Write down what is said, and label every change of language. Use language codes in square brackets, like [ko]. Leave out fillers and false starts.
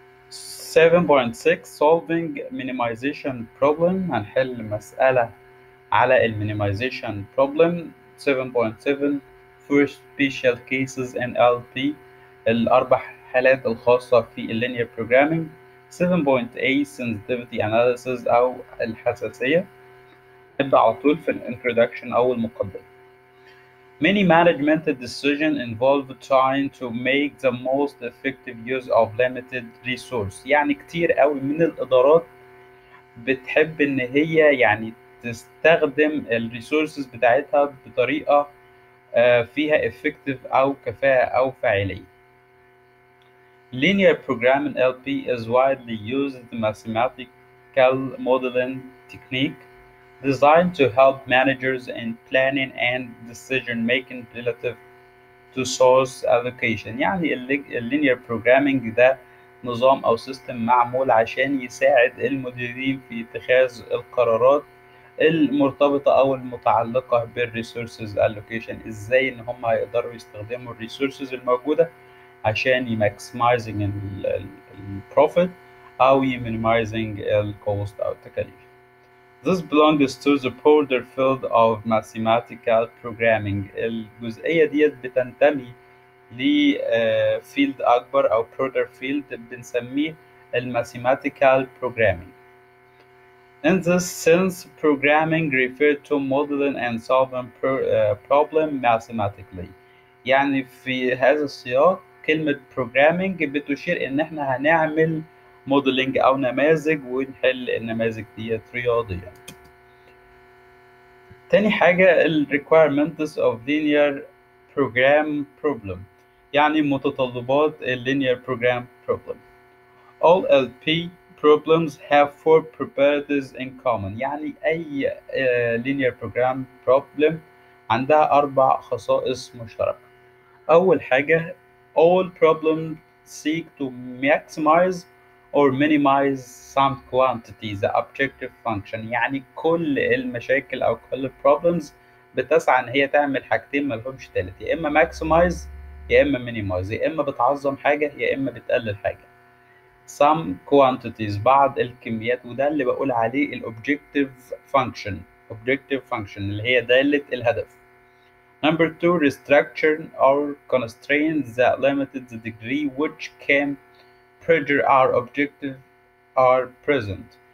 [en] 7.6, solving minimization problem, [ar] هنحل مسألة على ال [en] minimization problem. 7.7, first special cases in LP, [ar] الأربع حالات الخاصة في ال [en] linear programming. 7.8, sensitivity analysis [ar] أو الحساسية. نبدأ على طول في ال introduction أو المقدمة. [en] Many management decisions involve trying to make the most effective use of limited resources. [ar] يعني كتير قوي من الإدارات بتحب إن هي يعني تستخدم الـ resources بتاعتها بطريقة فيها effective أو كفاءة أو فاعلية. [en] Linear programming LP is widely used mathematical modeling technique designed to help managers in planning and decision making relative to source allocation. [ar] يعني linear programming ده نظام او سيستم معمول عشان يساعد المديرين في اتخاذ القرارات المرتبطة او المتعلقة بال resources allocation, ازاي ان هم هيقدروا يستخدموا ال resources الموجودة عشان ي maximizing ال profit او ي minimizing ال cost او التكاليف. [en] This belongs to the broader field of mathematical programming. [ar] الجزئية ديت بتنتمي لـ field أكبر أو broader field بنسميه mathematical programming. [en] In this sense, programming refers to modeling and solving problem mathematically. [ar] يعني في هذا السياق كلمة programming بتشير إن إحنا هنعمل modeling أو نماذج ونحل النماذج ديت رياضيا. تاني حاجة الـ requirements of linear program problem, يعني متطلبات الـ linear program problem. [en] All LP problems have four properties in common, [ar] يعني أي [en] linear program problem [ar] عندها 4 خصائص مشتركة. أول حاجة، [en] all problems seek to maximize or minimize some quantity, the objective function. [ar] يعني كل المشاكل أو كل problems بتسعى إن هي تعمل حاجتين ملهمش تالت، يا إما maximize يا إما minimize، يا إما بتعظم حاجة يا إما بتقلل حاجة. [en] some quantities، [ar] بعض الكميات، وده اللي بقول عليه الobjective function. objective function اللي هي دالة الهدف. [en] number 2، restructure or constraints that limited the degree which can pressure our objective are present.